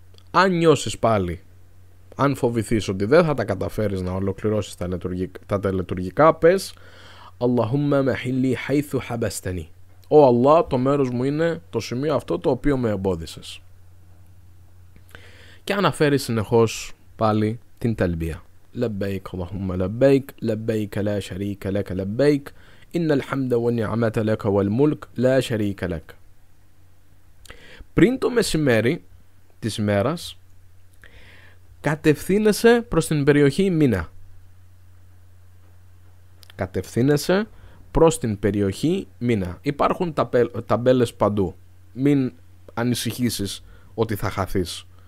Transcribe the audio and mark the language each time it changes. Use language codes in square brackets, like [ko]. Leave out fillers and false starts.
[el] Αν νιώσεις πάλι, αν φοβηθείς ότι δεν θα τα καταφέρεις να ολοκληρώσεις τα τελετουργικά, πες Αλλαχούμε με χιλί χαϊθου χαμπαστανί. Ω Αλλά, το μέρος μου είναι το σημείο αυτό το οποίο με εμπόδισες. Και αναφέρει συνεχώς πάλι την ταλμπία. [ar] لبيك اللهم لبيك لبيك لا شريك لك لبيك إن الحمد والنعمة لك والملك لا شريك لك. [el] Πριν το μεσημέρι της ημέρας κατευθύνεσαι προς την περιοχή Μίνα. Κατευθύνεσαι προς την περιοχή Μίνα. Υπάρχουν ταμπέλες παντού. Μην ανησυχήσεις ότι θα χαθείς.